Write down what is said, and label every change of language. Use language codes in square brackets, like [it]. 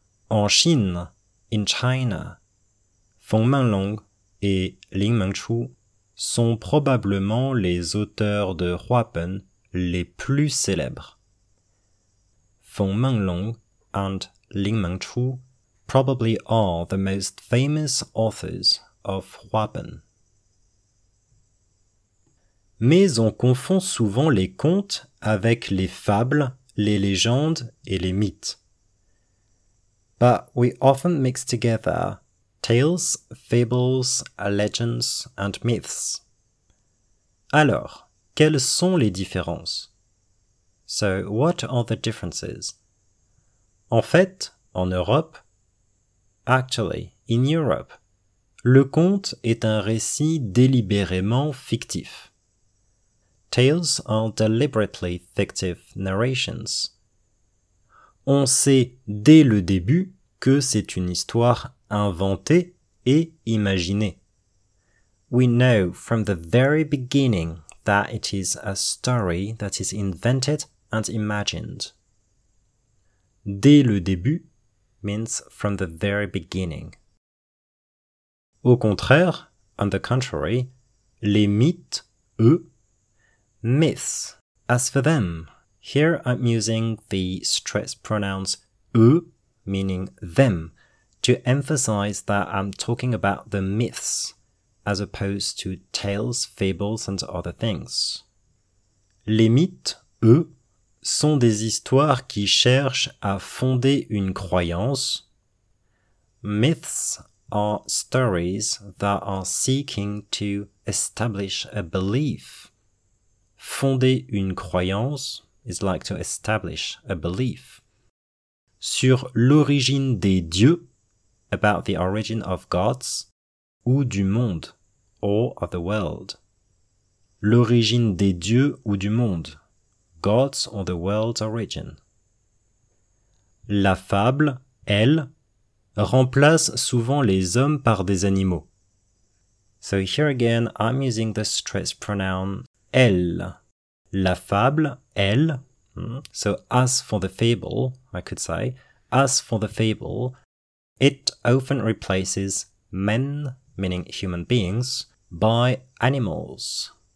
[fr] En Chine, [en] in China, [fr] Feng Menglong et Lin Mengchu sont probablement les auteurs de Huapen les plus célèbres. [en] Feng Menglong and Lin Mengchu probably are the most famous authors of Huapen. [fr] Mais on confond souvent les contes avec les fables, les légendes et les mythes. [en] But we often mix together tales, fables, legends, and myths. [fr] Alors, quelles sont les différences? [en] So, what are the differences? [fr] En fait, en Europe, [en] actually, in Europe, [fr] le conte est un récit délibérément fictif. [en] Tales are deliberately fictive narrations. [fr] On sait dès le début que c'est une histoire inventée et imaginée. [en] We know from the very beginning that it is a story that is invented and imagined. [fr] Dès le début [en] means from the very beginning. [fr] Au contraire, [en] on the contrary, [fr] les mythes, eux, [en] myths, as for them, here I'm using the stress pronoun [fr] eux, [en] meaning them, to emphasize that I'm talking about the myths, as opposed to tales, fables, and other things. [fr] Les mythes, eux, sont des histoires qui cherchent à fonder une croyance. [en] Myths are stories that are seeking to establish a belief. [fr] Fonder une croyance [en] is like to establish a belief. [fr] Sur l'origine des dieux, [en] about the origin of gods, [fr] ou du monde, [en] or of the world. [fr] L'origine des dieux ou du monde, [en] gods or the world's origin. [fr] La fable, elle, remplace souvent les hommes par des animaux. [en] So here again, I'm using the stress pronoun [fr] elle. La fable, elle, [en] so as for the fable, I could say, as for the fable, it often replaces men, meaning human beings, by animals.